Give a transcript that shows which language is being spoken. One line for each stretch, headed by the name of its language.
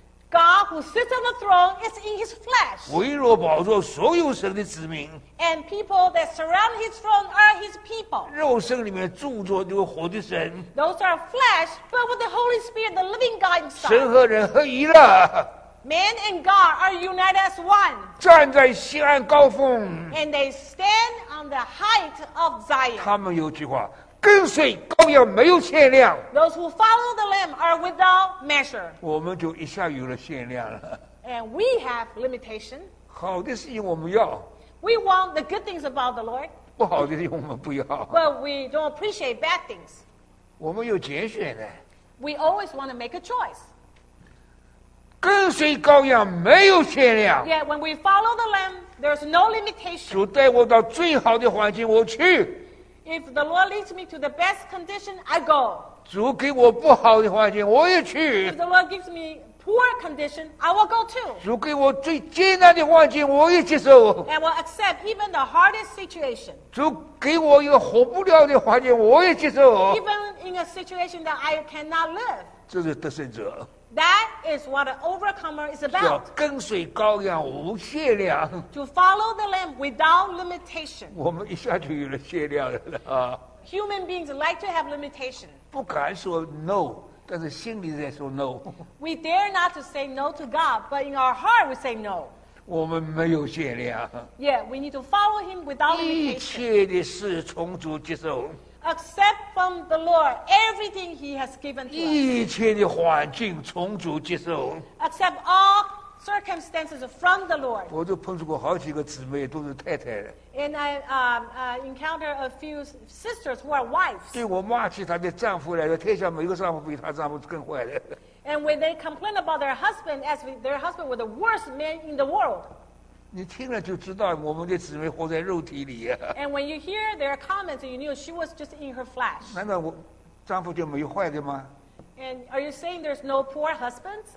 English: God who sits on the throne is in his flesh.
Chinese: 围绕宝座所有神的子民。
English: And people that surround his throne are his people.
Chinese: 肉身里面住着那个活的神。
English: Those are flesh, but with the Holy Spirit, the living God inside.
Chinese: 神和人合一了。
English: Man and God are united as one.
Chinese: 站在锡安高峰。
English: And they stand on the height of Zion.
Chinese: 他们有句话。跟随羔羊没有限量。
English: Those who follow the lamb are without measure.
Chinese: 我们就一下有了限量了。
English: And we have limitation.
Chinese: 好的事情我们要。
English: We want the good things about the Lord.
Chinese: 不好的事情我们不要。
English: But we don't appreciate bad things.
Chinese: 我们有拣选的。
English: We always want to make a choice.
Chinese: 跟随羔羊没有限量。
English: Yet when we follow the lamb, there's no limitation.
Chinese: 主带我到最好的环境，我去。
English: If the Lord leads me to the best condition, I go.
Chinese: 主给我不好的环境，我也去。
English: If the Lord gives me poor condition, I will go too.
Chinese: 主给我最艰难的环境，我也接受。
English: And will accept even the hardest situation.
Chinese: 主给我一个活不了的环境，我也接受。
English: Even in a situation that I cannot live.
Chinese: 这是得胜者。
English: That is what an overcomer is about.
Chinese: 要跟随羔羊无限量。
English: To follow the lamb without limitation.
Chinese: 我们一下就有了限量了啊。
English: Human beings like to have limitation.
Chinese: 不敢说 no, 但是心里在说 no.
English: We dare not to say no to God, but in our heart we say no.
Chinese: 我们没有限量。
English: Yeah, we need to follow him without limitation.
Chinese: 一切的事从主接受。
English: Accept from the Lord everything He has given to us.
Chinese: 一切的环境从主接受。
English: Accept all circumstances from the Lord.
Chinese: 我就碰过好几个姊妹都是太太的。
English: And I encounter a few sisters who are wives.
Chinese: 对我骂起她的丈夫来说，天下没有丈夫比她丈夫更坏的。
English: And when they complain about their husband, as their husband were the worst man in the world.
Chinese: 你听了就知道我们的姊妹活在肉体里、啊、
English: And when you hear their comments, you knew she was just in her flesh.
Chinese: 难道我丈夫就没有坏的吗
English: And are you saying there's no poor husbands?